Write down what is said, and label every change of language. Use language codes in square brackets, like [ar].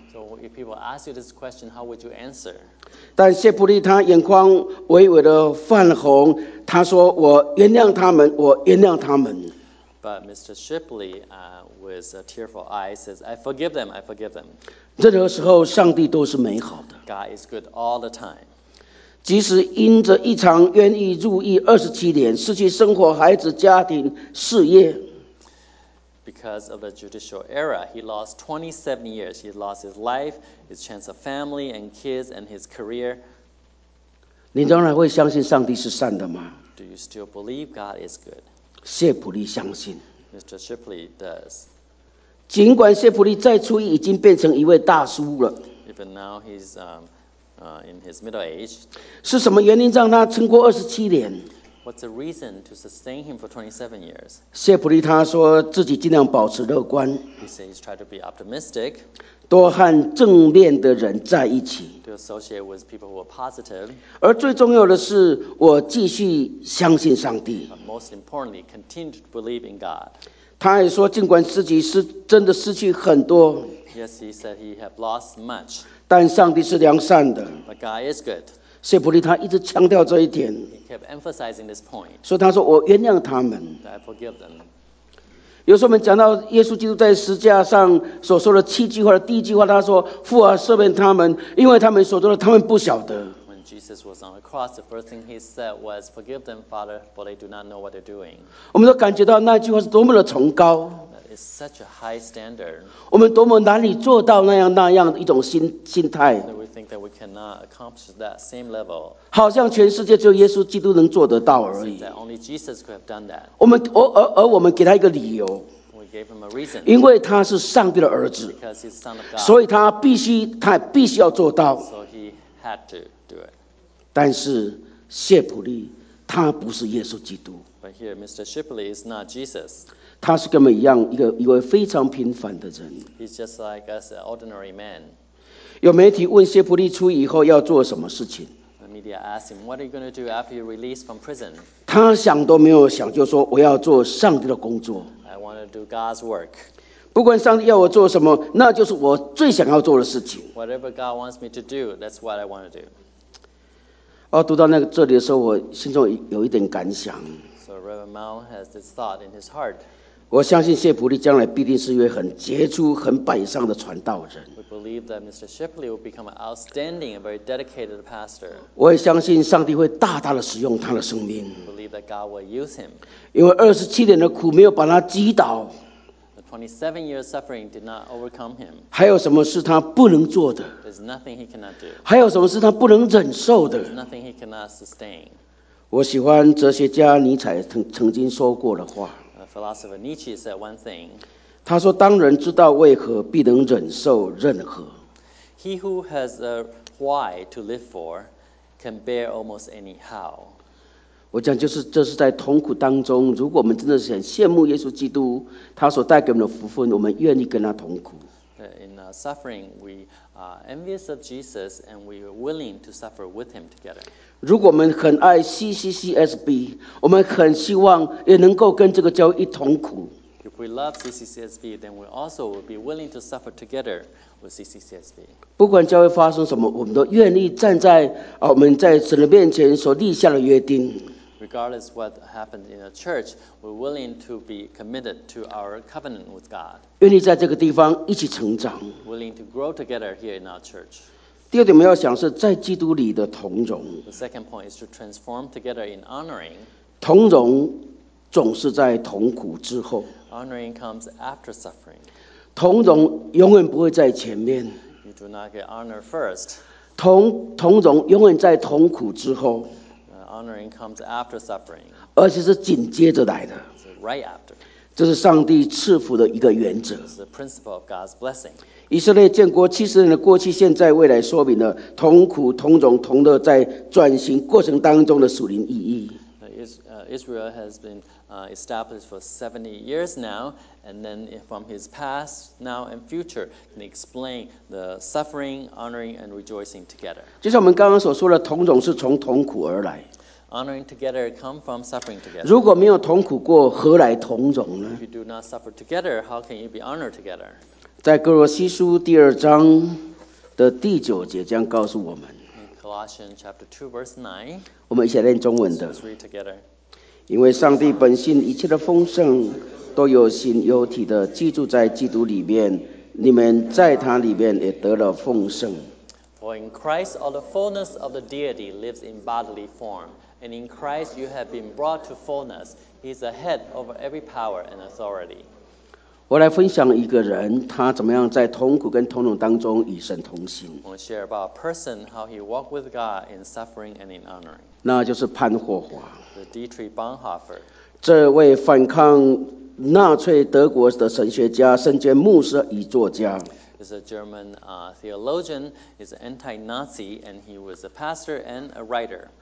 [en] ？So if people ask you this question, how would you answer? [zh] 但谢普利他眼眶微微的泛红，他说：“我原谅他们，我原谅他们。 [en] ”But Mr. Shipley, with a tearful eye, says, "I forgive them. I forgive them." [zh] 任何时候，上帝都是美好的。 [en] God is good all the time. [zh] 即使因着一场冤狱入狱27年，失去生活、孩子、家庭、事业。 [en] Because of the judicial error, he lost 27 years. He lost his life, his chance of family and kids and his career. [zh] 你仍然会相信上帝是善的吗 [en] ？Do you still believe God is good? [zh] 谢普利相信。 [en] Mr. Shipley does. [zh] 尽管谢普利在初一已经变成一位大叔了。 [en] Even now he'sIn his middle age, [zh] 是什么原因让他撑过27年 [en] ？What's the reason to sustain him for 27 years? [zh] 谢普利他说自己尽量保持乐观。 [en] He says try to be optimistic. [zh] 多和正面的人在一起。 [en] To associate with people who are positive. [zh] 而最重要的是，我继续相信上帝。 [en] But most importantly, continue to believe in God. [zh] 他也说，尽管自己是真的失去很多。 [en] Yes, he said he had lost much. [zh] 但上帝是良善的。 [en] But God is good. [zh] 谢普利他一直强调这一点。 [en] He kept emphasizing this point. [zh] 所以他说我原谅他们。 [en] I forgive them. [zh] 有时候我们讲到耶稣基督在十字架上所说的七句话的第一句话，他说父啊赦免他们，因为他们所做的他们不晓得。 [en] When Jesus was on the cross, the first thing he said was forgive them, Father, for they do not know what they're doing. [zh] 我们都感觉到那句话是多么的崇高。 [en] It's such a high standard. [zh] 我们多么难以做到那样的一种心态。 [en] We think that we cannot accomplish that same level. [zh] 好像全世界只有耶稣基督能做得到而已。 [en] That only Jesus could have done that. [zh] 我们给他一个理由。 [en] We gave him a reason. [zh] 因为他是上帝的儿子。 [en] Because he's son of God. [zh] 所以他必须要做到。 [en] So he had to do it. [zh] 但是谢普利他不是耶稣基督。 [en] But here, Mr. Shipley is not Jesus. [zh] 他是跟我们一样，一个非常平凡的人。 [en] He's just like us, an ordinary man. [zh] 有媒体问谢普利出以后要做什么事情。 [en] The media asked him, "What are you going to do after you're released from prison?" [zh] 他想都没有想，就说我要做上帝的工作。 [en] I want to do God's work. [zh] 不管上帝要我做什么，那就是我最想要做的事情。 [en] Whatever God wants me to do, that's what I want to do. [zh] 哦，读到那个这里的时候，我心中有一点感想。 [en] So Reverend Mao has this thought in his heart. [zh] 我相信谢普利将来必定是一位很杰出、很百上的传道人。 [en] Believe that Mr. Shipley will become an outstanding and very dedicated pastor. [zh] 我也相信上帝会大大的使用他的生命。 [en] Believe that God will use him. [zh] 因为二十七年的苦没有把他击倒。 [en] The 27 years suffering did not overcome him. [zh] 还有什么是他不能做的 [en] ？There's nothing he cannot do. [zh] 还有什么是他不能忍受的 [en] ？There's nothing he cannot sustain. [zh] 我喜欢哲学家尼采曾经说过的话。 [en] The philosopher Nietzsche said one thing. [zh] 他说：“当人知道为何，必能忍受任何。” [en] He who has a why to live for can bear almost any how. [zh] 我讲就是，这是在痛苦当中，如果我们真的是很羡慕耶稣基督，他所带给我们的福分，我们愿意跟他同苦。 [en] In suffering, we are envious of Jesus, and we are willing to suffer with him together. [zh] 如果我们很爱 CCCSB， 我们很希望也能够跟这个教会一同苦。 [en] If we love CCCSB, then we also will be willing to suffer together with CCCSB. [zh] 不管教会发生什么，我们都愿意站在我们在神的面前所立下的约定。 [en] Regardless what happens in the church, we're willing to be committed to our covenant with God. [zh] 愿意在这个地方一起成长。 [en] Willing to grow together here in our church. [zh] 第二点我们要想是在基督里的同荣。 [en] The second point is to transform together in honoring. [zh] 同荣总是在痛苦之后。 [en] Honoring comes after suffering. [zh] 同荣永远不会在前面。 [en] You do not get honor first. [zh] 同荣永远在痛苦之后。 [en] Honoring comes after suffering. [zh] 而且是紧接着来的。 [en] So、right after. [zh] 这是上帝赐福的一个原则。 [en] It's the principle of God's blessing. [zh] 以色列建国七十年的过去、现在、未来，说明了同苦、同荣、同乐在转型过程当中的属灵意义。 [en] Israel has been established for 70 years now, and then from his past, now, and future, can explain the suffering, honoring, and rejoicing together. [zh] 就像我们刚刚所说的，同荣是从同苦而来。 [en] Honoring together come from suffering together. [zh] 如果没有同苦过，何来同荣呢？ [en] If you do not suffer together, how can you be honored together? [zh] 在哥罗西书第二章的第九节这样告诉我们。 [en] Colossians chapter 2 verse 9. [zh] 我们一起念中文的。 [en] Let's read together. [zh] 因为上帝本性一切的丰盛都有形有体的居住在基督里面，你们在他里面也得了丰盛。 [en] For in Christ all the fullness of the deity lives in bodily form, and in Christ you have been brought to fullness. He is the head over every power and authority. [zh] 我来分享一个人，他怎么样在痛苦跟痛荣当中与神同行。 [en] I want to share about a person how he walked with God in suffering and in honoring. [zh] 那就是潘霍华。 [en] The Dietrich Bonhoeffer. [zh] 这位反抗纳粹德国的神学家，身兼牧师与作家。 [en] He's a German theologian. He's anti-Nazi, and he was a pastor and a writer.